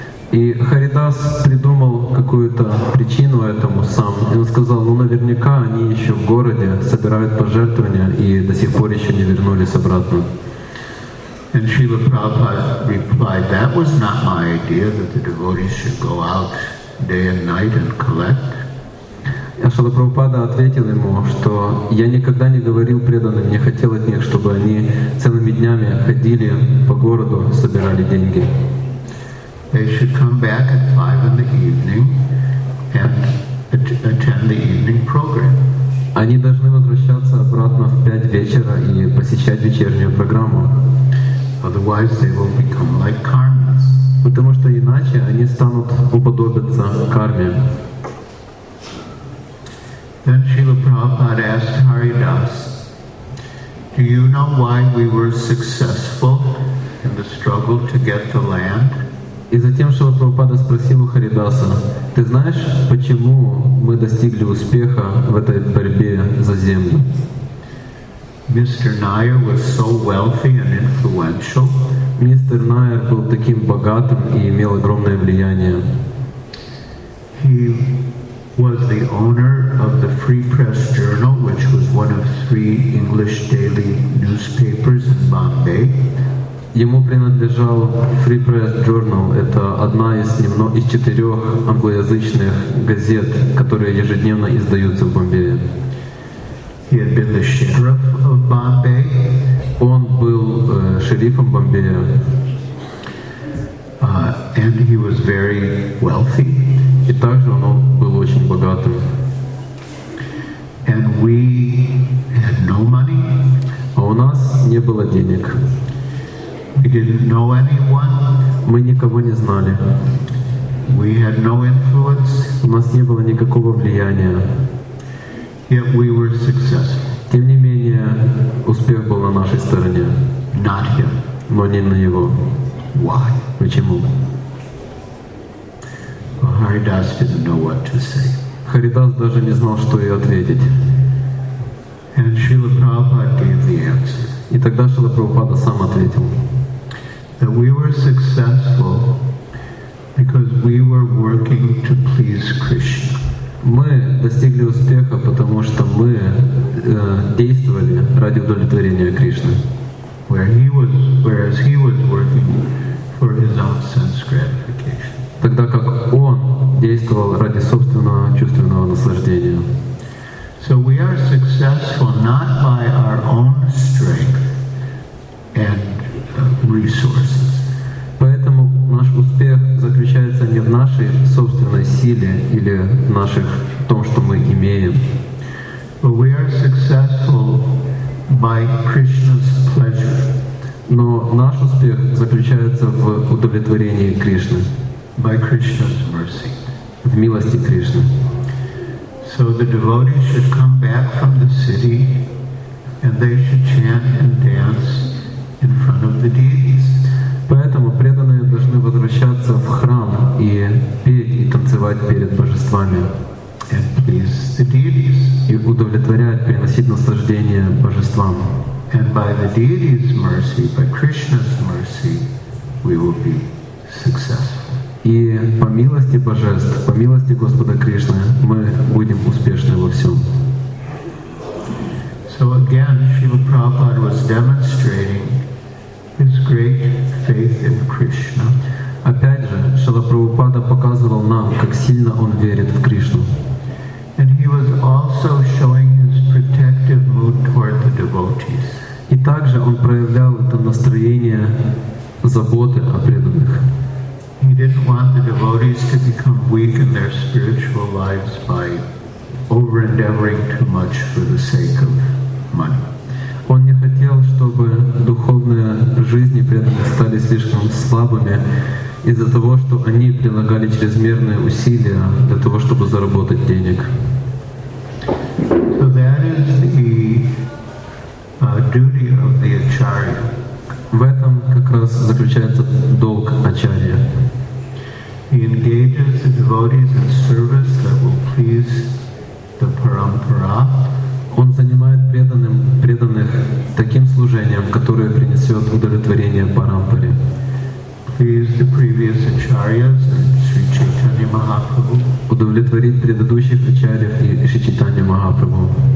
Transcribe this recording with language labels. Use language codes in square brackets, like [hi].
[ru] И Харидас придумал какую-то причину этому сам. И он сказал, ну наверняка они еще в городе собирают пожертвования и до сих пор еще не вернулись обратно. [en] And Srila Prabhupada replied, that was not my idea that the devotees should go out day and night and collect. [ru] А Шрила Прабхупада ответил ему, что я никогда не говорил преданным, не хотел от них, чтобы они целыми днями ходили по городу, собирали деньги. [en] They should come back at 5 in the evening and attend the evening program. [ru] Они должны возвращаться обратно в 5 вечера и посещать вечернюю программу. [en] Otherwise they will become like karmas. [ru] Потому что иначе они станут уподобиться карме. [en] Then Srila Prabhupada asked Haridas, do you know why we were successful in the struggle to get the land? [ru] И затем Шрила Прабхупада спросил у Харидаса, ты знаешь, почему мы достигли успеха в этой борьбе за землю? [en] Mr. Nair was so wealthy and influential. [ru] Мистер Найер был таким богатым и имел огромное влияние. [en] He was the owner of the Free Press Journal, which was one of three English daily newspapers in Bombay. [ru] Ему принадлежал Free Press Journal. Это одна из четырех англоязычных газет, которые ежедневно издаются в Бомбее. [en] He had been the sheriff of Bombay. [ru] Он был шерифом Бомбея. [en] And he was very wealthy. [ru] И также он был очень богатым. [en] And we had no money. [ru] А у нас не было денег. [en] We didn't know anyone. [ru] Мы никого не знали. [en] We had no influence. [ru] У нас не было никакого влияния. [en] Yet we were successful. [ru] Тем не менее, успех был на нашей стороне. [en] Not him. [ru] Но не на его. [en] Why? [ru] Почему? [en] Well, Haridas didn't know what to say. [ru] Харидас даже не знал, что ей ответить. [en] And Srila Prabhupada gave the answer. [ru] И тогда Шрила Прабхупада сам ответил. [en] That we were successful because we were working to please Krishna. [ru] Мы достигли успеха, потому что мы действовали ради удовлетворения Кришны. [en] Whereas he was working for his own sense gratification. [ru] Тогда как он действовал ради собственного чувственного наслаждения. [en] So we are successful not by our own strength and resources. [ru] Поэтому наш успех заключается не в нашей собственной силе или в том, что мы имеем. [en] But we are successful by Krishna's pleasure. [ru] Но наш успех заключается в удовлетворении Кришны. [en] By Krishna's mercy. [ru] В милости Кришны. [en] So the devotees should come back from the city and they should chant and dance in front of the deities. [ru] Поэтому преданные должны возвращаться в храм и петь и танцевать перед божествами. [en] And please the deities. [ru] И удовлетворять, приносить наслаждение божествам. [en] And by the deity's mercy, by Krishna's mercy, we will be successful. [ru] И по милости божеств, по милости Господа Кришны, мы будем успешны во всем. [en] So again, Srila Prabhupada was demonstrating his great faith in Krishna. [ru] Опять же, Шрила Прабхупада показывал нам, как сильно он верит в Кришну. [en] And he was also showing his protective mood toward the devotees. [ru] И также он проявлял это настроение заботы о преданных. [en] He didn't want the devotees to become weak in their spiritual lives by over-endeavoring too much for the sake of money. [ru] Он не хотел, чтобы духовные жизни преданных стали слишком слабыми из-за того, что они прилагали чрезмерные усилия для того, чтобы заработать денег. [en] So that is the duty of the acharya. [ru] В этом как раз заключается долг ачарьи. [en] He engages the devotees in service that will please the parampara. [ru] Он занимает преданных таким служением, которое принесет удовлетворение парампаре. [en] Please the previous acharyas and Sri Chaitanya Mahaprabhu. [ru] Удовлетворит предыдущих ачарьев и Шри Чайтанья Махапрабху.